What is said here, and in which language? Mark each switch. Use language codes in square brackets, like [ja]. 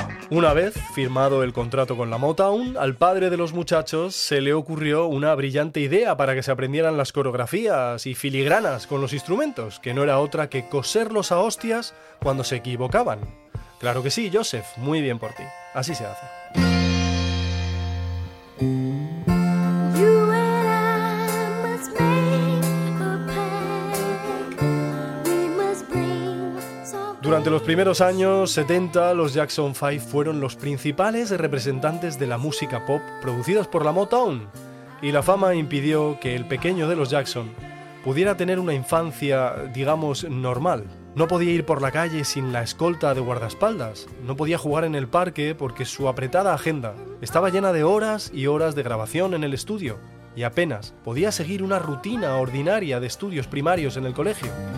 [es] Una vez firmado el contrato con la Motown, al padre de los muchachos se le ocurrió una brillante idea para que se aprendieran las coreografías y filigranas con los instrumentos, que no era otra que coserlos a hostias cuando se equivocaban. Claro que sí, Joseph, muy bien por ti. Así se hace. [en] You and I must make a pact. We [es] Durante los primeros años 70, los Jackson 5 fueron los principales representantes de la música pop producidas por la Motown, y la fama impidió que el pequeño de los Jackson pudiera tener una infancia, digamos, normal. No podía ir por la calle sin la escolta de guardaespaldas, no podía jugar en el parque porque su apretada agenda estaba llena de horas y horas de grabación en el estudio, y apenas podía seguir una rutina ordinaria de estudios primarios en el colegio.